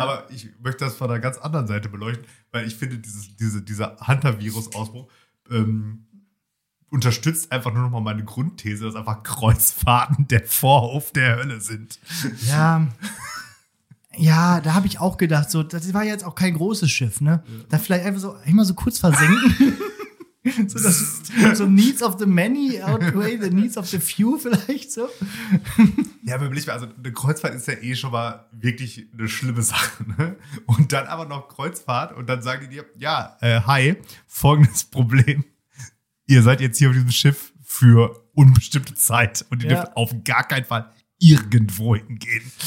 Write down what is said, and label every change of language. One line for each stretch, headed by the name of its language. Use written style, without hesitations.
German: Aber ich möchte das von einer ganz anderen Seite beleuchten, weil ich finde, dieser Hantavirus-Ausbruch unterstützt einfach nur noch mal meine Grundthese, dass einfach Kreuzfahrten der Vorhof der Hölle sind. Ja. Ja, da habe ich auch gedacht, so, das war jetzt auch kein großes Schiff, ne? Ja. Da vielleicht einfach so immer so kurz versenken. So, das ist, so
English: needs of the many outweigh the needs of the few
German: vielleicht so. Ja, aber überleg mal, also eine Kreuzfahrt ist ja eh schon mal wirklich eine schlimme Sache, ne? Und dann aber noch Kreuzfahrt und dann sagen die dir, ja, hi, folgendes Problem. Ihr seid jetzt hier auf diesem Schiff für unbestimmte Zeit und ihr dürft auf gar keinen Fall irgendwo hingehen.